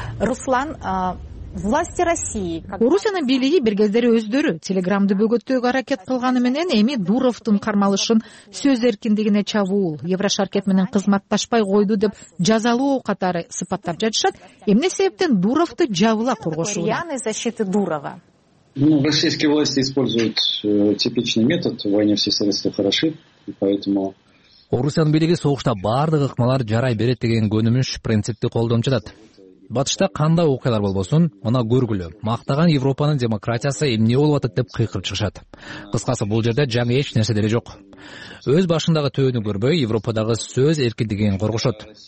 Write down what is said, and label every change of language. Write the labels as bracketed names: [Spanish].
[Russian] Руслан, власти России, [Kyrgyz] Орусиянын бийлиги бир кездери өздөрү телеграмды бөгөттөөгө аракет кылганы менен эми Дуровдун кармалышын сөз эркиндигине чабуул, Еврошаркет менен кызматташпай койду деп жазалоо катары сыпаттап жатышат. Эмне себептен Дуровду жабыла коргошууда? [Russian] Реальная защита Дурова. Российские власти используют типичный метод: в войне все средства хороши, и поэтому [Kyrgyz] Орусиянын бийлиги согушта баардык ыкмалар жарай берет деген көнүмүш принципти колдонуп жатат. Батышта кандай окуялар болбосун, мына көргүлө, мактаган Европанын демократиясы эмне болуп атат деп кыйкырып чыгышат. Кыскасы, бул жерде жаңы эч нерсе деле жок. Өз башындагы төөнү көрбөй Европадагы сөз эркиндигин коргошот.